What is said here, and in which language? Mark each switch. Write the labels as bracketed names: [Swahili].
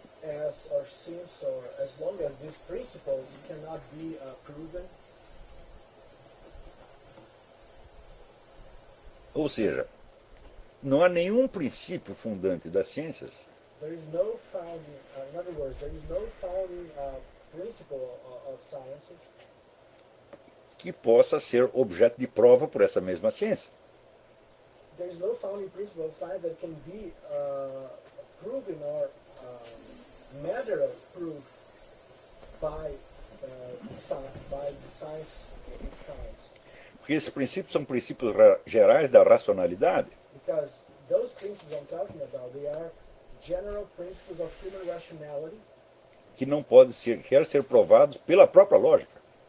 [English] as long as these principles cannot be proven. [Portuguese] Ou seja, não há nenhum princípio fundante das ciências. [English] There is no founding, in other words, there is no founding principle of sciences [Portuguese] que possa ser objeto de prova por essa mesma ciência. [English] There is no founding principle of science that can be proven or matter of proof by the science itself. [Portuguese] Porque esses princípios são princípios gerais da racionalidade. [English] Because those principles I'm talking about, they are general principles of human rationality. [Portuguese] Que não pode ser, quer ser provados pela própria lógica.